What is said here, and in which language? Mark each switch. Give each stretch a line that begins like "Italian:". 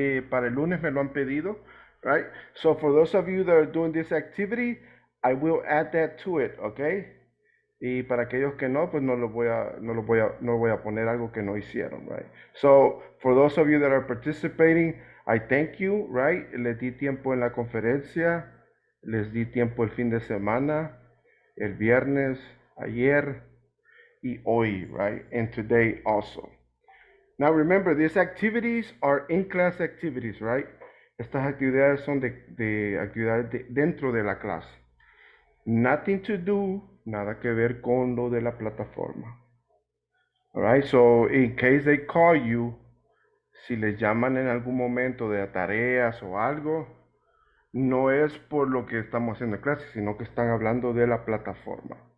Spanish: Para el lunes me lo han pedido, right?
English: So for those of you that are doing this activity, I will add that to it, okay?
Spanish: Y para aquellos que no, pues no voy a poner algo que no hicieron, right?
English: So for those of you that are participating, I thank you, right?
Spanish: Les di tiempo en la conferencia, les di tiempo el fin de semana, el viernes, ayer, y hoy, right?
English: And today also. Now remember, these activities are in-class activities, right?
Spanish: Estas actividades son de actividades dentro de la clase.
English: Nothing to do,
Spanish: nada que ver con lo de la plataforma.
English: All right, so in case they call you,
Spanish: si les llaman en algún momento de tareas o algo, no es por lo que estamos haciendo en clase, sino que están hablando de la plataforma.